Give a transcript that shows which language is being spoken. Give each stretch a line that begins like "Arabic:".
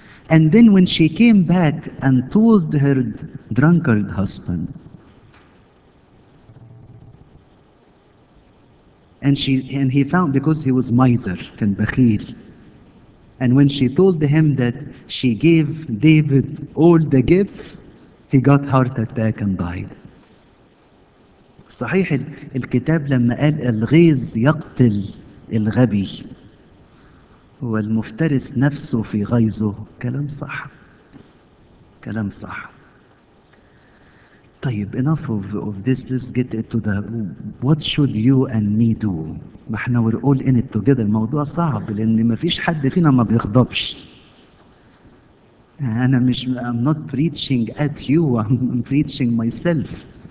English: And then when she came back and told her drunkard husband, and he found, because he was miser,
Arabic: كان بخيل,
English: and when she told him that she gave David all the gifts, he got heart attack and died.
Arabic: صحيح الكتاب لما قال الغيظ يقتل الغبي والمفترس نفسه في غيظه, كلام صح, كلام صح.
English: طيب, enough of this, let's get into the what should you and me do.
Arabic: ما احنا
English: we're all in it together.
Arabic: الموضوع صعب لان ما فيش حد فينا ما بيغضبش. انا مش
English: I'm not preaching at you, I'm preaching myself.